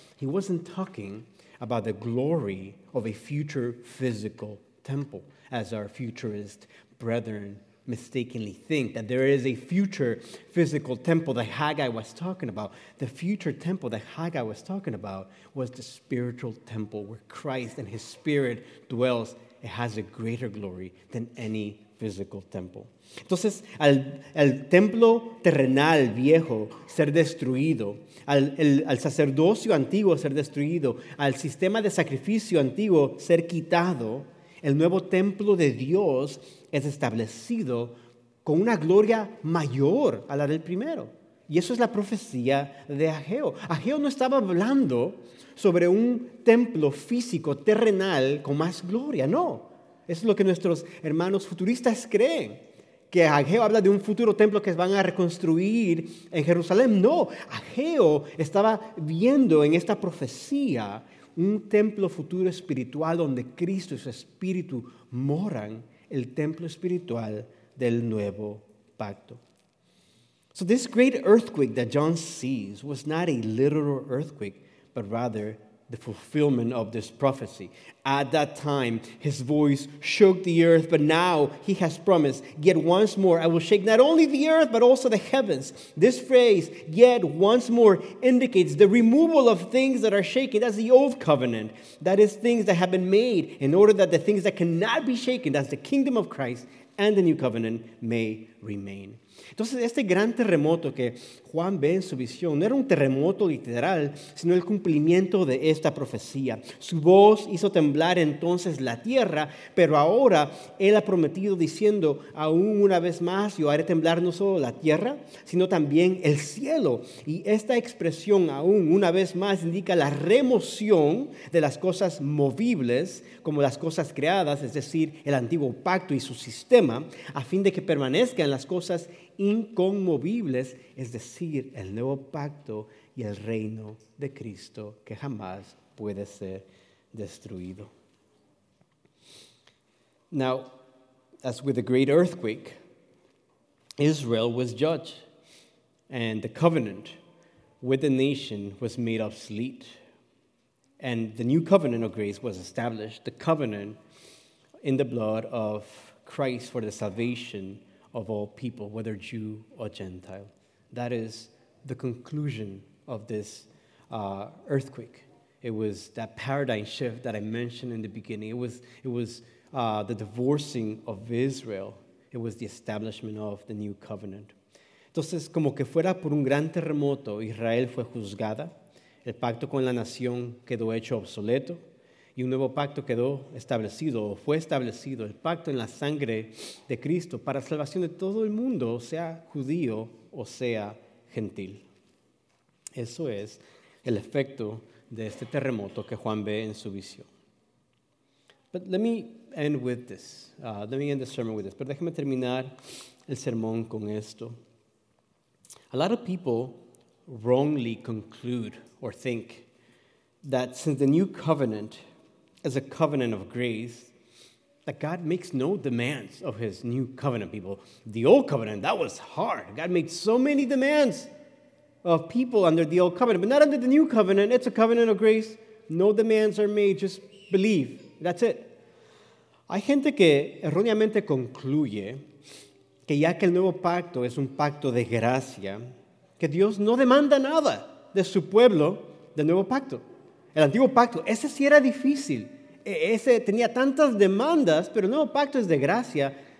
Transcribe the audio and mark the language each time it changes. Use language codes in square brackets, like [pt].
[en] He wasn't talking about the glory of a future physical temple, as our futurist brethren mistakenly think that there is a future physical temple that Haggai was talking about. The future temple that Haggai was talking about was the spiritual temple where Christ and his spirit dwells. It has a greater glory than any physical temple. [es] Entonces, al templo terrenal viejo ser destruido, al sacerdocio antiguo ser destruido, al sistema de sacrificio antiguo ser quitado, el nuevo templo de Dios es establecido con una gloria mayor a la del primero. Y eso es la profecía de Ageo. Ageo no estaba hablando sobre un templo físico, terrenal, con más gloria, no. Eso es lo que nuestros hermanos futuristas creen. Que Ageo habla de un futuro templo que van a reconstruir en Jerusalén. No, Ageo estaba viendo en esta profecía un templo futuro espiritual donde Cristo y su Espíritu moran, el templo espiritual del nuevo pacto. [en] So this great earthquake that John sees was not a literal earthquake, but rather the fulfillment of this prophecy. At that time, his voice shook the earth, but now he has promised, yet once more I will shake not only the earth, but also the heavens. This phrase, yet once more, indicates the removal of things that are shaken. That's the old covenant. That is things that have been made in order that the things that cannot be shaken, that's the kingdom of Christ and the new covenant, may remain. [es] Entonces, este gran terremoto que Juan ve en su visión no era un terremoto literal, sino el cumplimiento de esta profecía. Su voz hizo temblar entonces la tierra, pero ahora él ha prometido diciendo, aún una vez más, yo haré temblar no solo la tierra, sino también el cielo. Y esta expresión, aún una vez más, indica la remoción de las cosas movibles, como las cosas creadas, es decir, el antiguo pacto y su sistema, a fin de que permanezcan las cosas inconmovibles, es decir, el nuevo pacto y el reino de Cristo que jamás puede ser destruido. [en] Now, as with the great earthquake, Israel was judged, and the covenant with the nation was made obsolete, and the new covenant of grace was established, the covenant in the blood of Christ for the salvation of all people, whether Jew or Gentile. That is the conclusion of this earthquake. It was that paradigm shift that I mentioned in the beginning. It was the divorcing of Israel. It was the establishment of the new covenant. [es] Entonces, como que fuera por un gran terremoto, Israel fue juzgada. El pacto con la nación quedó hecho obsoleto. Y un nuevo pacto quedó establecido, o fue establecido, el pacto en la sangre de Cristo para salvación de todo el mundo, sea judío o sea gentil. Eso es el efecto de este terremoto que Juan ve en su visión. [en] But let me end with this. Let me end the sermon with this. [es] Pero déjeme terminar el sermón con esto. [en] A lot of people wrongly conclude or think that since the new covenant as a covenant of grace, that God makes no demands of his new covenant people. The old covenant, that was hard. God made so many demands of people under the old covenant, but not under the new covenant. It's a covenant of grace. No demands are made, just believe. That's it. [es] Hay gente que erróneamente concluye que ya que el nuevo pacto es un pacto de gracia, que Dios no demanda nada de su pueblo del nuevo pacto. El antiguo pacto, ese sí era difícil. Ese tenía tantas demandas, pero el nuevo pacto es de gracia.